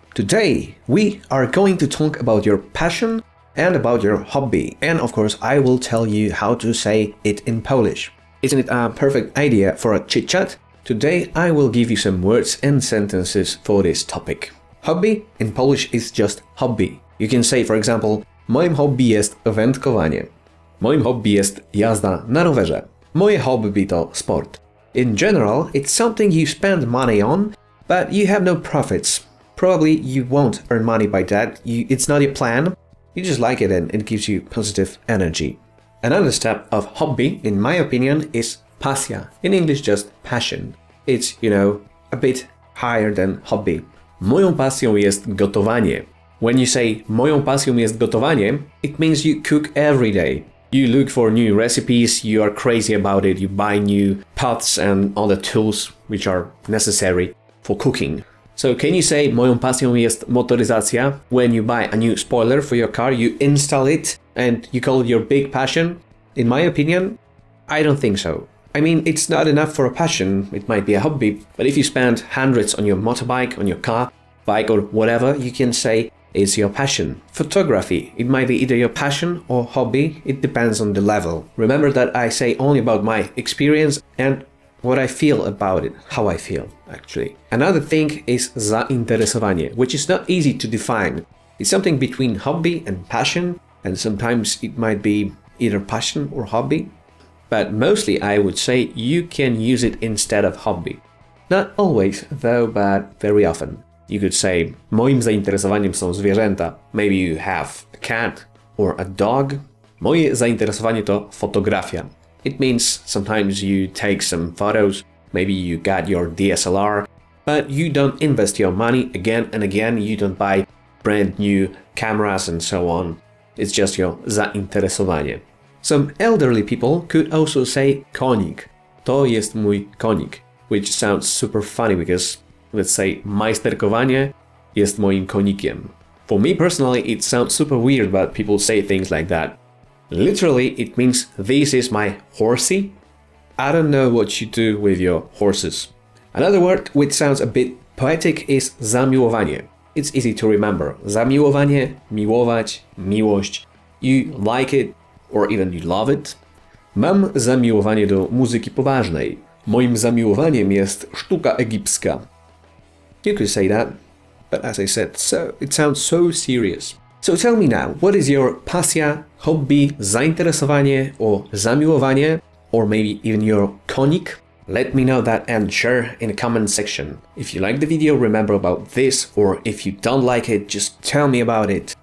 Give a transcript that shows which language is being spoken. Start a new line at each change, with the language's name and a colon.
English: Today, we are going to talk about your passion and about your hobby. And of course, I will tell you how to say it in Polish. Isn't it a perfect idea for a chit-chat? Today, I will give you some words and sentences for this topic. Hobby in Polish is just hobby. You can say, for example,
Polish: moim hobby jest wędkowanie. Moim hobby jest jazda na rowerze. Moje hobby to sport.
English: In general, it's something you spend money on, but you have no profits. Probably you won't earn money by that. It's not your plan. You just like it and it gives you positive energy. Another step of hobby, in my opinion, is pasja. In English, just passion. It's, you know, a bit higher than hobby.
Polish: Moją pasją jest gotowanie.
English: When you say
Polish: moją pasją jest gotowanie,
English: it means you cook every day. You look for new recipes, you are crazy about it, you buy new pots and all the tools which are necessary for cooking. So can you say
Polish: moją pasją jest motoryzacja?
English: When you buy a new spoiler for your car, you install it and you call it your big passion? In my opinion, I don't think so. I mean, it's not enough for a passion, it might be a hobby, but if you spend hundreds on your motorbike, on your car, bike or whatever, you can say it's your passion. Photography, it might be either your passion or hobby, it depends on the level. Remember that I say only about my experience and what I feel about it, how I feel, actually. Another thing is zainteresowanie, which is not easy to define. It's something between hobby and passion, and sometimes it might be either passion or hobby. But mostly I would say you can use it instead of hobby. Not always though, but very often. You could say
Polish: moim zainteresowaniem są zwierzęta.
English: Maybe you have a cat or a dog.
Polish: Moje zainteresowanie to fotografia.
English: It means sometimes you take some photos, maybe you got your DSLR, but you don't invest your money again and again, you don't buy brand new cameras and so on. It's just your zainteresowanie. Some elderly people could also say konik.
Polish: To jest mój konik,
English: which sounds super funny because let's say
Polish: majsterkowanie jest moim konikiem.
English: For me personally, it sounds super weird, but people say things like that. Literally, it means this is my horsey. I don't know what you do with your horses. Another word which sounds a bit poetic is zamiłowanie. It's easy to remember.
Polish: Zamiłowanie, miłować, miłość.
English: You like it or even you love it.
Polish: Mam zamiłowanie do muzyki poważnej. Moim zamiłowaniem jest sztuka egipska.
English: You could say that, but as I said, so it sounds so serious. So tell me now, what is your pasja, hobby, zainteresowanie or zamiłowanie, or maybe even your konik? Let me know that and share in the comment section. If you like the video, remember about this, or if you don't like it, just tell me about it.